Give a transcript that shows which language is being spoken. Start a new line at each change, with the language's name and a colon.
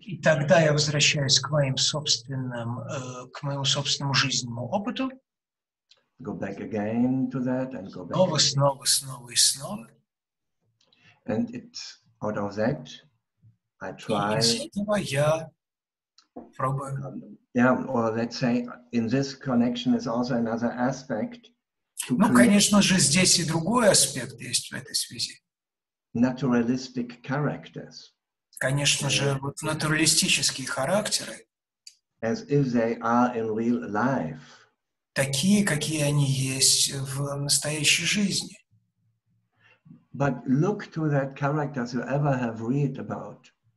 Russian: И тогда я возвращаюсь к моим собственным, к моему собственному жизненному опыту.
English: Go back again to that and go back
Russian: снова, снова, снова и снова.
English: And it's out of that I try...
Russian: И из этого я пробую...
English: Yeah, or let's say in this connection is also another aspect.
Russian: Ну, конечно же, здесь и другой аспект есть в этой связи.
English: Naturalistic characters.
Russian: Конечно же, вот натуралистические характеры.
English: As if they are in real life.
Russian: такие, какие они есть в настоящей жизни.
English: But look to that character you ever have read about.